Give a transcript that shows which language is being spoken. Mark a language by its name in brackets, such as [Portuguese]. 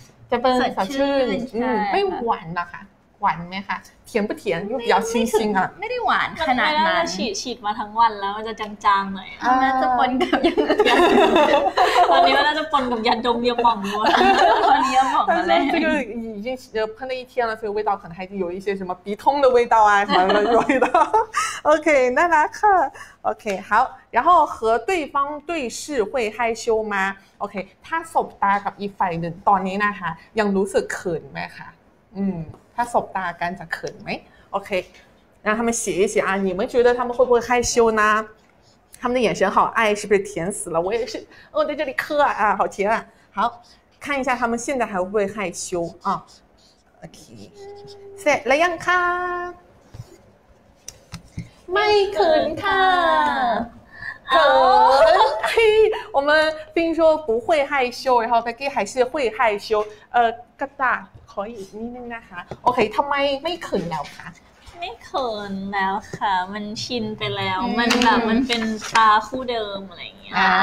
[Thai] จะเป็นสดชื่นไม่หวานนะคะหวานไหมคะเทียมปะเทียนเปรี้ยวชิ้นชิ้นอ่ะ ไม่ได้หวานขนาดนั้น ฉีดมาทั้งวันแล้วมันจะจางๆหน่อย มันจะปนกับย าดมตอนนี้มันน่าจะปนกับยาดมเยอะหม่องด้วยตอนนี้เยอะหม่องแล้ว นี่ก็ [Chinese] 已经喷了一天了所以味道可能还有一些什么鼻通的味道啊什么的味道OK 那拉克 OK 好然后和对方对视会害羞吗 OK 他 [Thai] สบตากับอีกฝ่ายหนึ่งตอนนี้นะคะยังรู้สึกเขินไหมคะ ถ้าสบตากันจะเขินไหม [Chinese] OK นะ他们写一写啊你们觉得他们会不会害羞呢他们的眼神好爱是不是甜死了我也是我在这里磕啊好甜啊好看一下他们现在还会不会害羞啊 OK [Thai] เสร็จแล้วยังคะ ไม่เขินค่ะ เขิน [Chinese] 我们听说不会害羞然后 Becky 还是会害羞 [Thai] กระดาษขออีกนิดนึงนะคะโอเคทำไมไม่เขินแล้วคะ ไม่เขินแล้วค่ะมันชินไปแล้วมันแบบมันเป็นตาคู่เดิมอะไรอย่างเงี้ย